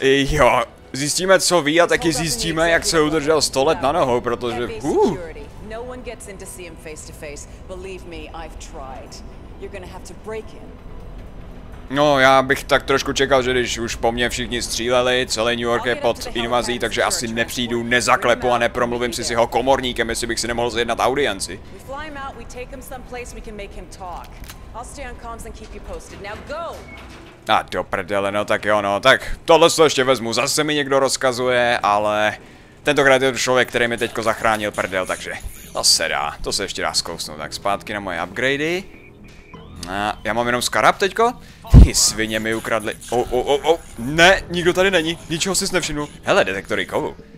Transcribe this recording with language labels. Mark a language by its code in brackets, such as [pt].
[cs] Jo, zjistíme, co ví, a taky zjistíme, jak se udržel 100 let na nohou, protože [en] No one gets in to see him face to face. Believe me, I've tried. You're gonna have to break him. [cs] No, já bych tak trošku čekal, že když už po mně všichni stříleli, celý New York je pod invazí, takže asi nepřijdu, nezaklepu a nepromluvím si s jeho komorníkem, jestli bych si nemohl zjednat audienci. [en] We fly him out, we take him someplace, we can make him talk. I'll stay on comms and keep you posted. Now go! [cs] A do prdele, no tak jo, no tak tohle to ještě vezmu, zase mi někdo rozkazuje, ale... Tentokrát je to člověk, který mi teďko zachránil prdel, takže to se dá, to se ještě dá zkousnout. Tak zpátky na moje upgradey. A já mám jenom skarab teďko? Ty svině mi ukradli. Ne, nikdo tady není, ničeho sis nevšiml. Hele, detektory kovu.